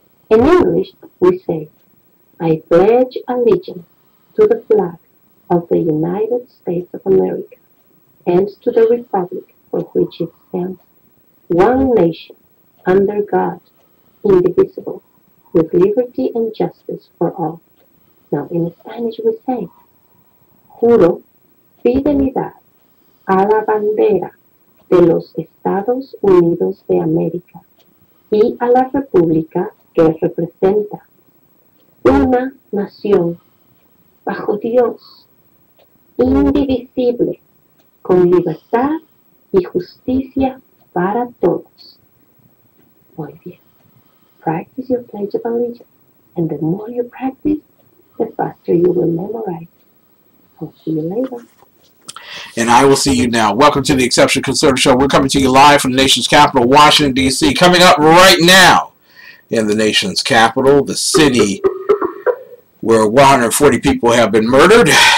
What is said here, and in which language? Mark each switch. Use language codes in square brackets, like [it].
[en] In English, we say, I pledge allegiance to the flag of the United States of America and to the Republic for which it stands, one nation, under God, indivisible, with liberty and justice for all. Now in Spanish we say, [es] Juro fidelidad a la bandera de los Estados Unidos de América y a la República que representa, una nación bajo Dios, indivisible, con libertad y justicia para todos. Muy bien. [en] Practice your Pledge of Allegiance, and the more you practice, the faster you will memorize. I'll see you later. And I will see you now. Welcome to the Exceptional Conservative Show. We're coming to you live from the nation's capital, Washington, D.C. Coming up right now in the nation's capital, the city where 140 people have been murdered.